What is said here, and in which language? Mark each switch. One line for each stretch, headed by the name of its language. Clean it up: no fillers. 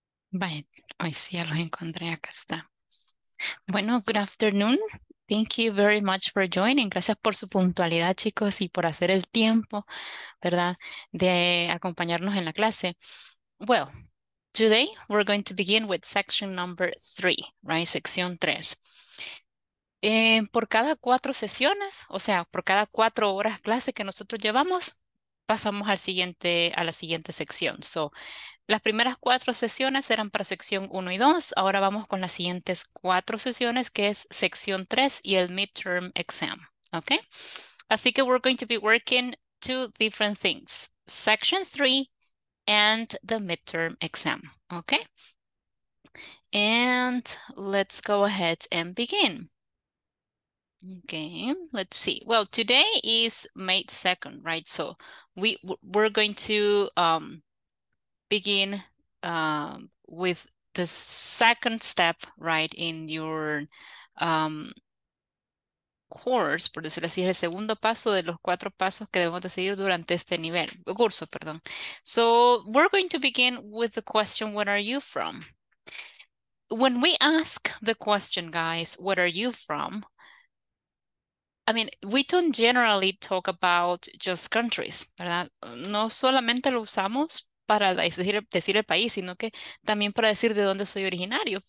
Spanish: Vaya, hoy sí ya los encontré, acá está. Bueno,
English: good afternoon. Thank you very much for joining.
Spanish: Gracias por su puntualidad, chicos, y por hacer el tiempo, ¿verdad?, de acompañarnos en la clase.
English: Well, today we're going to begin with section number 3, right?
Spanish: Sección 3. Por cada 4 sesiones, o sea, por cada 4 horas clase que nosotros llevamos, pasamos a la siguiente sección. So, las primeras 4 sesiones eran para sección 1 y 2. Ahora vamos con las siguientes 4 sesiones, que es sección 3 y el midterm exam.
English: Okay?
Spanish: Así que
English: we're going to be working 2 different things. Section 3 and the midterm exam. Okay? And let's go ahead and begin. Okay, let's see. Well, today is May 2nd, right? So we're going to begin with the second step, right, in your course,
Spanish: por decirlo así, el segundo paso de los 4 pasos que debemos de seguir durante este nivel, curso, perdón.
English: So we're going to begin with the question, where are you from? When we ask the question, guys, where are you from? I mean, we don't generally talk about just countries,
Spanish: ¿verdad? No solamente lo usamos para decir el país, sino que también para decir de dónde soy originario.